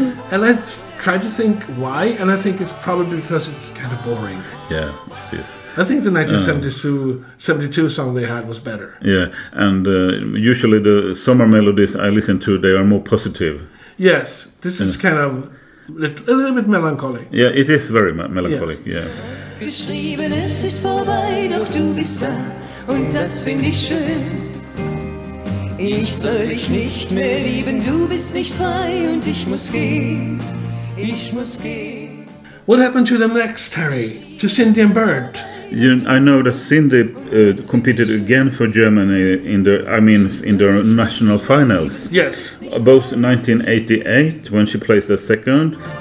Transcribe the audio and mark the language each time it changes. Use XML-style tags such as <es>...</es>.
<en>And I tried to think why, and I think it's probably because it's kind of boring. Yeah, it is. I think the 1972 song they had was better. Yeah, and usually the summer melodies I listen to, they are more positive. Yes, this is kind of a little bit melancholy. Yeah, it is very melancholic, yeah.</en> <de>Geschrieben, es ist vorbei, doch du bist da, und das finde ich schön. Ich soll dich nicht mehr lieben, du bist nicht frei, und ich muss gehen, ich muss gehen.</de> <en>What happened to them next, Harry? To Cindy and Bert? I know that Cindy competed again for Germany in the national finals. Yes. Both 1988 when she placed a second.</en>